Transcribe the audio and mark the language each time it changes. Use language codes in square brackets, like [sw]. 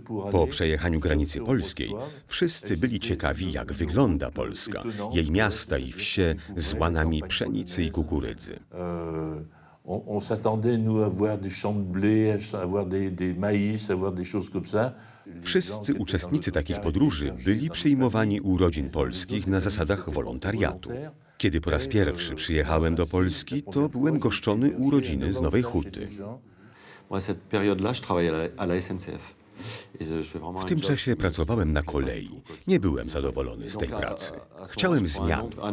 [pl] Po przejechaniu granicy polskiej wszyscy byli ciekawi, jak wygląda Polska, jej miasta i wsie z łanami pszenicy i kukurydzy. [fr] On s'attendait nous à voir des champs de blé, à voir des maïs, à voir des choses comme ça. [pl] Wszyscy uczestnicy takich podróży byli przyjmowani u rodzin polskich na zasadach wolontariatu. Kiedy po raz pierwszy przyjechałem do Polski, to byłem goszczony u rodziny z Nowej Huty. [fr] Moi cette période-là, je travaillais à la SNCF. [pl] W tym czasie pracowałem na kolei. Nie byłem zadowolony z tej pracy. Chciałem zmian.